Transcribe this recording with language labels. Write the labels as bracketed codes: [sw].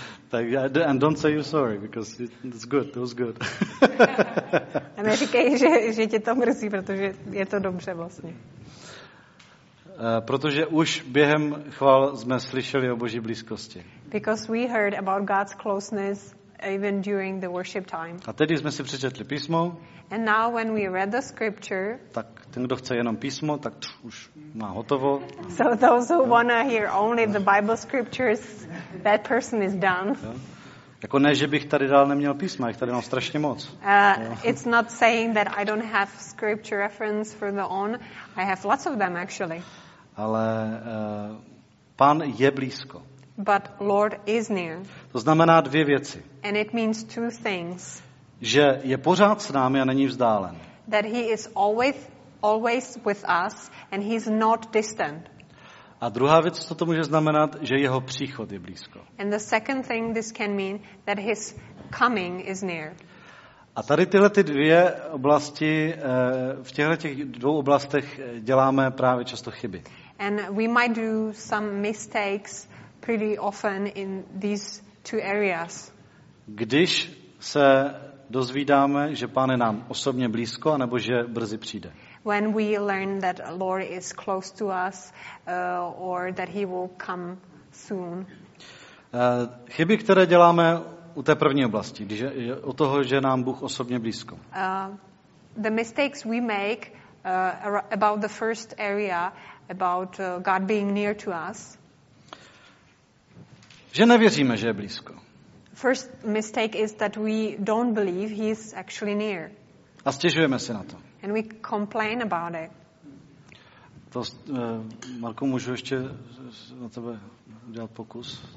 [en] And don't say you're sorry because it's good. It was good. [cs] A neříkej, že tě to mrzí, protože je to dobře vlastně. Protože už během chval jsme slyšeli o Boží blízkosti. [en] Because we heard about God's closeness even during the worship time. [cs] A tedy jsme si přečetli písmo. [en] And now when we read the scripture. [cs] Tak ten, kdo chce jenom písmo, tak už má hotovo. [en] So those who want to hear only the Bible scriptures, that person is done. [cs] Jako ne, že bych tady dál neměl písma, jich tady mám strašně moc. [en] It's not saying that I don't have scripture reference for the on. I have lots of them actually. [cs] Ale pán je blízko. [en] But Lord is near. [cs] To znamená dvě věci. [en] And it means two things. [cs] Že je pořád s námi a není vzdálen. [en] That he is always with us and he's not distant. [cs] A druhá věc, co to může znamenat, že jeho příchod je blízko. [en] And the second thing this can mean that his coming is near. [cs] A tady tyhle ty dvě oblasti, v těchto těch dvou oblastech děláme právě často chyby. [en] And we might do some mistakes pretty often in these two areas. [cs] Když se dozvídáme, že Pán je nám osobně blízko, anebo že brzy přijde. [en] When we learn that Lord is close to us or that he will come soon. [cs] Chyby, které děláme u té první oblasti, když je o toho, že nám Bůh osobně blízko. [en] The mistakes we make about the first area, about God being near to us. [cs] Že nevěříme, že je blízko. [en] First mistake is that we don't believe he is actually near. [cs] A stěžujeme si na to. [en] And we complain about it. [cs] To, Marku, můžu ještě na tebe udělat pokus?